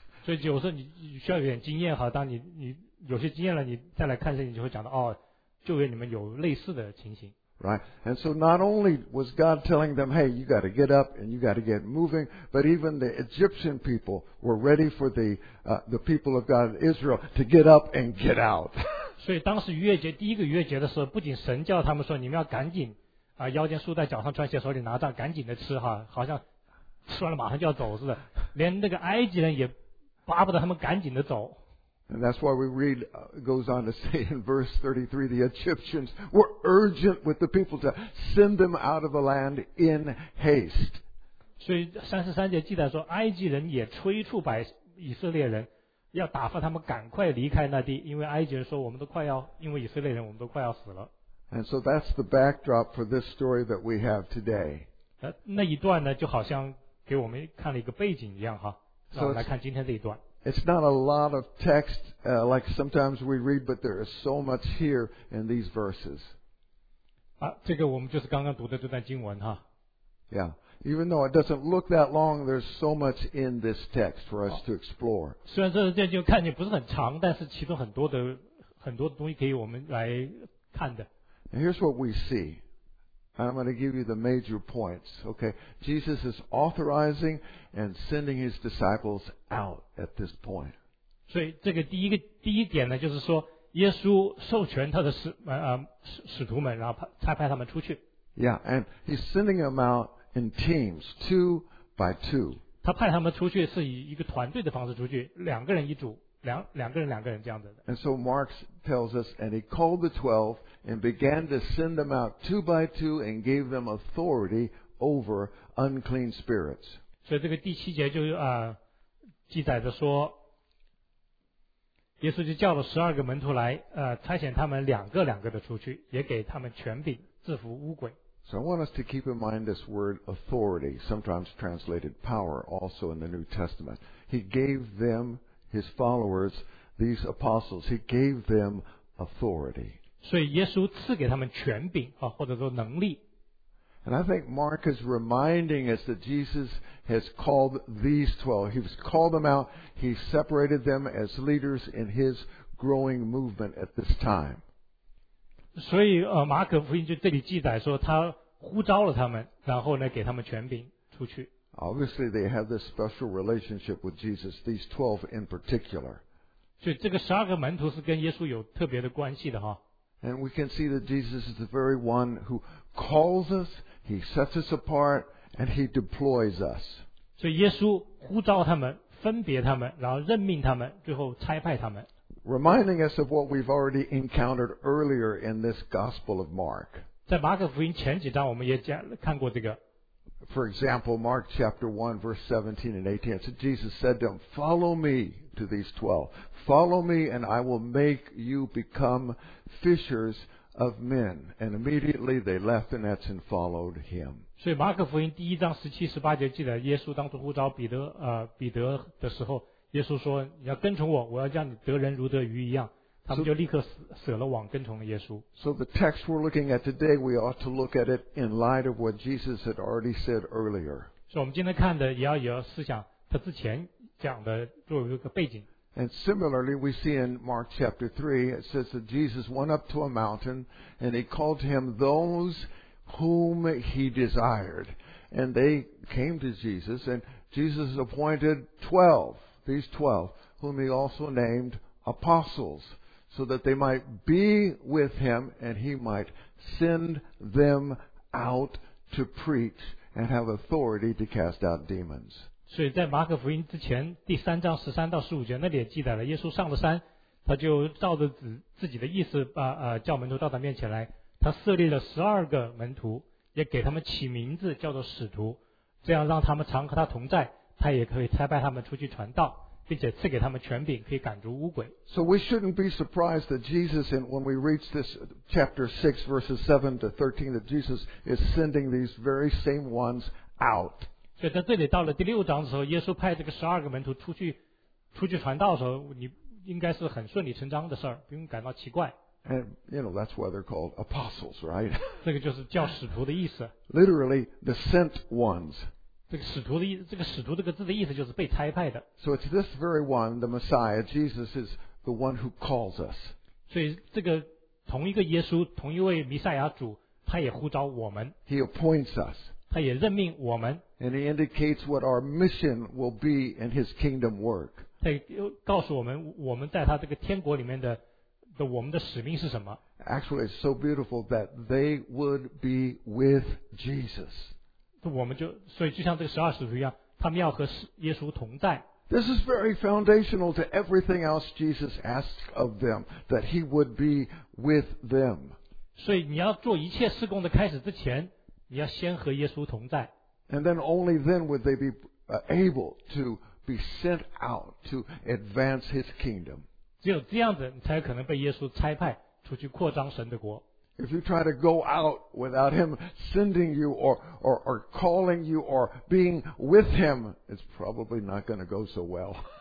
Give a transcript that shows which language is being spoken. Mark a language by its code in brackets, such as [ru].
[zh] 所以有时候你需要有点经验哈，当你有些经验了，你再来看这，你就会讲到哦，旧约你们有类似的情形。 [en] Right, and so not only was God telling them, "Hey, you got to get up and you got to get moving," but even the Egyptian people were ready for the people of God, Israel, to get up and get out. [zh] 所以当时逾越节第一个逾越节的时候，不仅神叫他们说你们要赶紧腰间束带，脚上穿鞋，手里拿杖，赶紧的吃哈，好像吃完了马上就要走似的，连那个埃及人也。巴不得他们赶紧的走。 [en] And that's why we read, goes on to say in verse 33, the Egyptians were urgent with the people to send them out of the land in haste. [zh] 所以33节记载说，埃及人也催促百以色列人，要打发他们赶快离开那地，因为埃及人说，我们都快要，因为以色列人，我们都快要死了。 [en] And so that's the backdrop for this story that we have today. [zh] 那一段呢，就好像给我们看了一个背景一样哈。那我们来看今天这一段。 [en] It's not a lot of text, like sometimes we read, but there is so much here in these verses. [zh] 啊，这个我们就是刚刚读的这段经文哈。 [en] Yeah. Even though it doesn't look that long, there's so much in this text for us to explore. [zh] 虽然这段经文看起来不是很长，但是其中很多的很多的东西可以我们来看的。 [en] And here's what we see. I'm going to give you the major points. Okay, Jesus is authorizing and sending his disciples out at this point. [zh] 所以这个第一点呢，就是说耶稣授权他的使徒们，然后差派他们出去。 [en] Yeah, and he's sending them out. In teams, two by two. [zh] 他派他们出去是以一个团队的方式出去，两个人一组，两个人这样子的。 [en] And so Mark tells us, and he called the 12 and began to send them out two by two and gave them authority over unclean spirits. [zh] 所以这个第七节就记载着说，耶稣就叫了12个门徒来，差遣他们两个的出去，也给他们权柄制服污鬼。 [en] So I want us to keep in mind this word authority, sometimes translated power, also in the New Testament. He gave them, his followers, these apostles, he gave them authority. [zh] 所以耶稣赐给他们权柄啊，或者说能力。 [en] And I think Mark is reminding us that Jesus has called these 12. He's called them out. He separated them as leaders in his growing movement at this time. [zh] 所以马可福音就这里记载说他呼召了他们然后呢给他们权柄出去 [en] Obviously they have this special relationship with Jesus these 12 in particular [zh] 所以这个十二个门徒是跟耶稣有特别的关系的哈 [en] And we can see that Jesus is the very one who calls us he sets us apart and he deploys us [zh] 所以耶稣呼召他们分别他们然后任命他们最后差派他们 [en] Reminding us of what we've already encountered earlier in this Gospel of Mark. [zh] 在马可福音前几章我们也看过这个。 [en] For example, Mark chapter 1, verse 17 and 18. So Jesus said to him, follow me to these 12. Follow me and I will make you become fishers of men. And immediately they left the nets and followed him. [zh] 所以马可福音第一章17、18节记得耶稣当初呼召彼得的时候耶稣说你要跟从我我要叫你得人如得鱼一样他们就立刻舍了网跟从了耶稣 [en] So the text we're looking at today we ought to look at it in light of what Jesus had already said earlier [zh] 所以我们今天看的也要有思想他之前讲的作为一个背景 [en] And similarly we see in Mark chapter 3 it says that Jesus went up to a mountain and he called to him those whom he desired and they came to Jesus and Jesus appointed 12These 12, whom he also named apostles, so that they might be with him and he might send them out to preach and have authority to cast out demons. [zh] 所以在马可福音之前第三章十三到十五节那里也记载了耶稣上了山他就照着自己的意思叫门徒到他面前来他设立了12个门徒也给他们起名字叫做使徒这样让他们常和他同在他也可以差派他们出去传道并且赐给他们权柄可以赶逐污鬼 [en] So we shouldn't be surprised that Jesus and when we reach this chapter 6 verses 7 to 13 that Jesus is sending these very same ones out [zh] 所以在这里到了第六章的时候耶稣派这个十二个门徒出去传道的时候你应该是很顺理成章的事儿，不用感到奇怪 [en] And you know that's why they're called apostles right [zh] 这个就是叫使徒的意思 [en] Literally the sent ones So it's this very one, the Messiah, Jesus is the one who calls us. [zh] 所以这个同一个耶稣，同一位弥赛亚主，他也呼召我们。 [en] He appoints us. [zh] 他也任命我们。 [en] And he indicates what our mission will be in his kingdom work. [zh] 他告诉我们，我们在他这个天国里面的我们的使命是什么。 [en] Actually, it's so beautiful that they would be with Jesus. [zh] 我们就所以就像这个十二使徒一样他们要和耶稣同在 [en] This is very foundational to everything else Jesus asked of them, that he would be with them. [zh] 所以你要做一切事工的开始之前，你要先和耶稣同在。 [en] And then only then would they be able to be sent out to advance his kingdom. [zh] 只有这样子，你才可能被耶稣差派出去扩张神的国。 [en] If you try to go out without him sending you or calling you or being with him, it's probably not going to go so well.